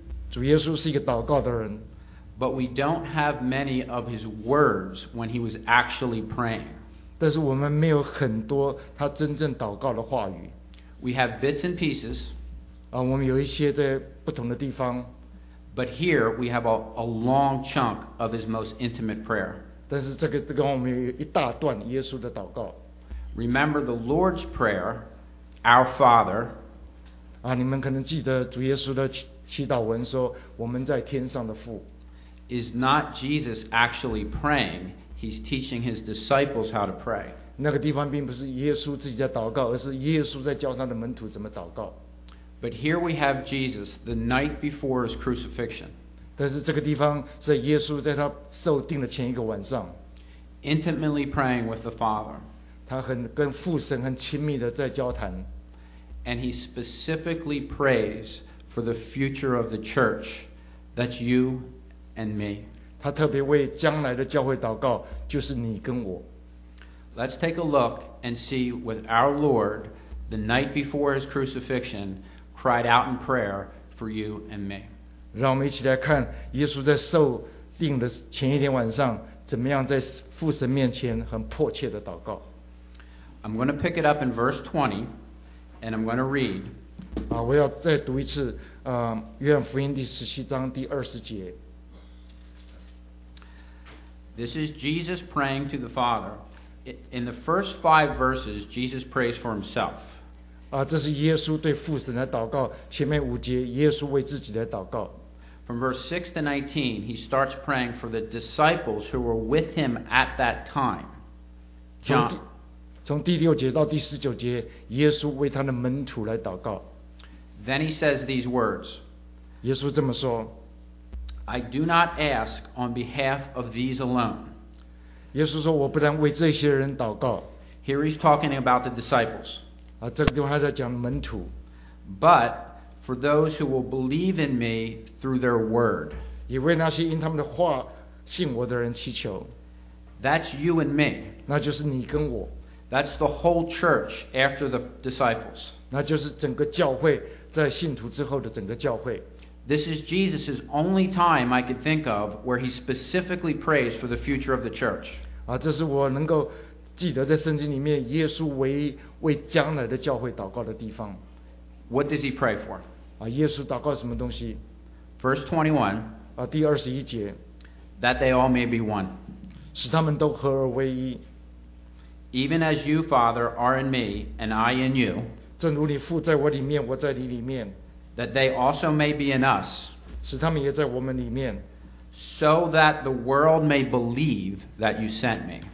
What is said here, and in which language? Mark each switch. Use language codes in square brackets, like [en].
[zh] 主耶稣是一个祷告的人。 [en] But we don't have many of his words when he was actually praying. [zh] 但是我们没有很多他真正祷告的话语。 [en] We have bits and pieces. [zh] 我们有一些在不同的地方。 [en] But here we have a long chunk of his most intimate prayer. [zh] 但是这个我们有一大段耶稣的祷告。 [en] Remember the Lord's Prayer, Our Father. [zh] 你们可能记得主耶稣的祈祷文说，我们在天上的父。 [en] Is not Jesus actually praying? He's teaching his disciples how to pray. [zh] 那个地方并不是耶稣自己在祷告，而是耶稣在教他的门徒怎么祷告。 [en] But here we have Jesus the night before his crucifixion. [zh] 但是这个地方是耶稣在他受钉的前一个晚上。 [en] Intimately praying with the Father. [zh] 他很跟父神很亲密的在交谈。 [en] And he specifically prays for the future of the church, that's you and me. [zh] 他特别为将来的教会祷告，就是你跟我。 [en] Let's take a look and see with our Lord the night before his crucifixion. Cried out in prayer for you and me. [zh] 让我们一起来看耶稣在受钉的前一天晚上，怎么样在父神面前很迫切的祷告。 [en] I'm going to pick it up in verse 20, and I'm going to read. [zh] 我要再读一次，约翰福音第十七章第二十节。 [en] This is Jesus praying to the Father. In the first five verses, Jesus prays for himself. [zh] 这是耶稣对父神来祷告，前面五节耶稣为自己来祷告。 [en] From verse 6 to 19, he starts praying for the disciples who were with him at that time. John. [zh] 从第六节到第十九节，耶稣为他的门徒来祷告。 [en] Then he says these words. [zh] 耶稣这么说。 [en] I do not ask on behalf of these alone. [zh] 耶稣说我不但为这些人祷告。 [en] Here he's talking about the disciples. [zh] 啊，这个地方还在讲门徒。 [en] But for those who will believe in me through their word. [zh] 也为那些因他们的话信我的人祈求。 [en] That's you and me. [zh] 那就是你跟我。 [en] That's the whole church after the disciples. [zh] 那就是整个教会在信徒之后的整个教会。 [en] This is Jesus' only time I could think of where he specifically prays for the future of the church. [zh] 啊，这是我能够记得在圣经里面耶稣唯一为将来的教会祷告的地方。 [en] What does he pray for? [zh] 啊，耶稣祷告什么东西？ [en] Verse 21. [zh] 啊，第二十一节。 [en] That they all may be one. [zh] 使他们都合而为一。 [en] Even as you, Father, are in me, and I in you. [zh] 正如你父在我里面，我在你里面。 [en] That they also may be in us, [zh] 使他们也在我们里面, [en] so that the world may believe that you sent me.